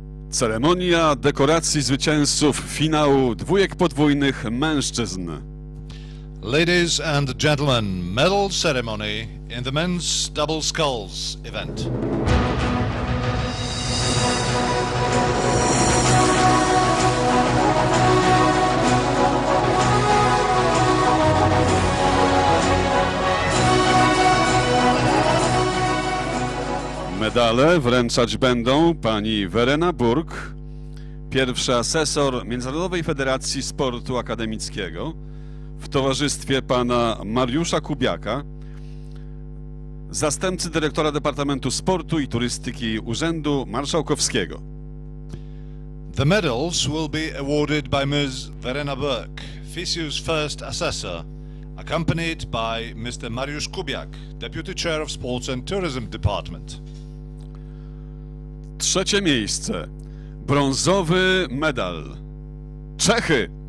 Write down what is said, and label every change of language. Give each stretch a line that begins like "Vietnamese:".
Polish: Ceremonia dekoracji zwycięzców finału dwójek podwójnych mężczyzn.
English: Ladies and gentlemen, medal ceremony in the men's double sculls event.
Polish: Medale wręczać będą pani Werena Burg, pierwszy asesor Międzynarodowej Federacji Sportu Akademickiego, w towarzystwie pana Mariusza Kubiaka, zastępcy dyrektora Departamentu Sportu i Turystyki Urzędu Marszałkowskiego.
English: The medals will be awarded by Ms. Werena Burg, FISU's first assessor, accompanied by Mr. Mariusz Kubiak, Deputy Chair of Sports and Tourism Department.
Polish: Trzecie miejsce. Brązowy medal. Czechy.